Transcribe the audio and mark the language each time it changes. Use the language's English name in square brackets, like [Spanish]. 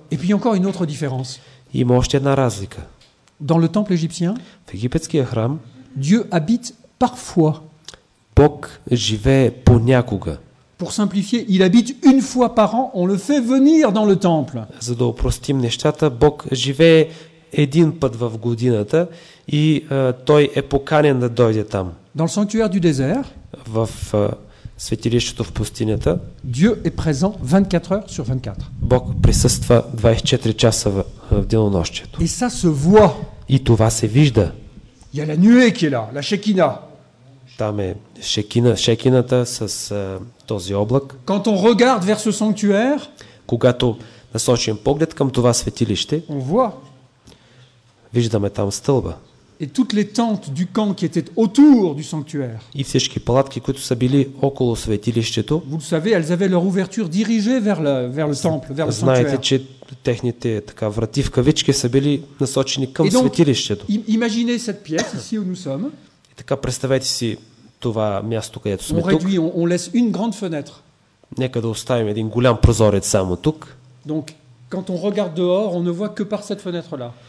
[French] Et puis encore une autre différence. [Bulgarian] Има още една разлика. [French] Dans le temple égyptien. [Bulgarian] В египетския храм. [French] Dieu habite parfois. [Bulgarian] Бог живее понякога. [French] Pour simplifier, il habite une fois par an, on le fait venir dans le temple. [Bulgarian] За да упростим нещата, Бог живее един път в годината и той е поканен да дойде там. [French] Dans le sanctuaire du désert. [Bulgarian] В светилището в пустинята. [French] Dieu est présent 24 heures sur 24. [Bulgarian] Бог присъства 24 часа в денонощието. [French] Et ça se voit. [Bulgarian] И това се вижда. [French] Il y a la nuée qui est là, la Shekina. [Bulgarian] Там е шекината с този облак. [French] Quand on regarde vers ce sanctuaire, [Bulgarian] когато насочим поглед към това светилище, [French] on voit. [Bulgarian] Виждаме там стълба. [French] Et toutes les tentes du camp qui étaient autour du sanctuaire. [Bulgarian] И всички палатки, които са били около светилището. [French] Vous le savez, elles avaient leur ouverture dirigée vers le temple, vers le [Bulgarian] Знаете, че техните така врати в кавички са били насочени към светилището. [French] Imaginez cette pièce ici où nous sommes. [Bulgarian] И така представете си това място, където сме тук. [French] On laisse une grande fenêtre. [Bulgarian] Нека да оставим един голям прозорец само тук. [French] Donc quand on regarde dehors, on ne voit que par cette fenêtre-là.